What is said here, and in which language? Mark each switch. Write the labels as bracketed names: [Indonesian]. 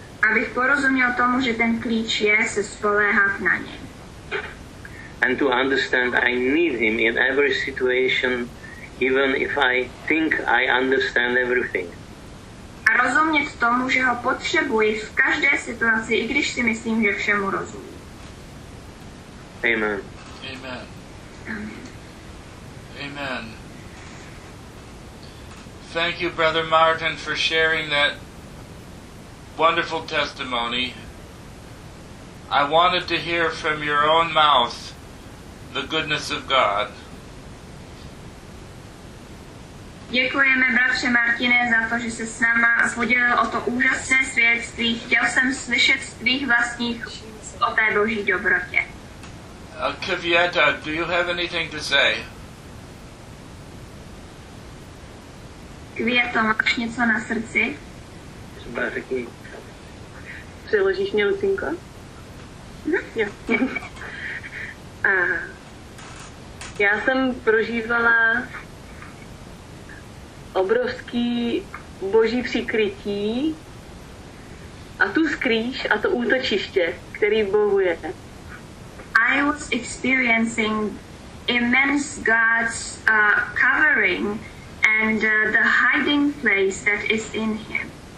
[Czech] Abych porozuměl tomu, že ten klíč je se spoléhat na něj. [English] And to understand I need him in every situation, even if I think I understand everything. [Czech] A rozumět tomu, že ho potřebuji v každé situaci, i když si myslím, že všemu rozumím. Amen. Amen. Amen. Amen. [English] Thank you, Brother Martin, for sharing that wonderful testimony. I wanted to hear from your own mouth the goodness of God. [Czech] Děkujeme, bratře Martine, za to, že se s náma podělil o to úžasné svědectví. Chtěl jsem slyšet z tvých vlastních o té Boží dobrotě. [English] Květa, do you have anything to say? [Czech] Květo, máš něco na srdci? Přiložíš mě, Lucinko? Jo. Já jsem prožívala obrovský Boží přikrytí a tu skrýš a to útočiště, který v Bohu je. [English] I was experiencing immense God's covering and the hiding place that is in him.